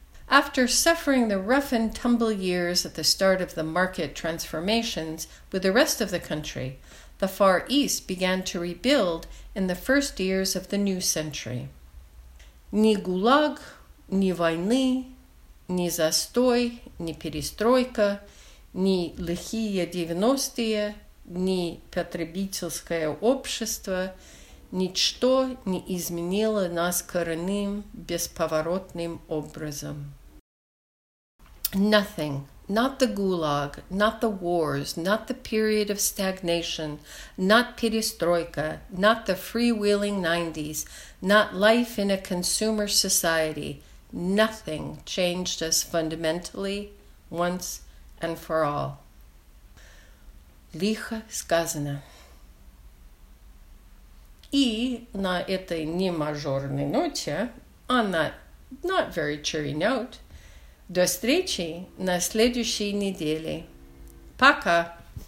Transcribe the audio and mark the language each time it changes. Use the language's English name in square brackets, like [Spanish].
[English] After suffering the rough and tumble years at the start of the market transformations with the rest of the country, the Far East began to rebuild in the first years of the new century. [Russian] Ни гулаг, ни войны, ни застой, ни перестройка, ни лихие 90s, ни потребительское общество, ничто не изменило нас коренным, бесповоротным образом. [English] Nothing. Not the gulag, not the wars, not the period of stagnation, not perestroika, not the freewheeling 90s, not life in a consumer society. Nothing changed us fundamentally, once and for all. [Russian] Лихо сказано. И на этой немажорной ноте, а на [English] not very cheery note. [Russian] До встречи на следующей неделе. Пока!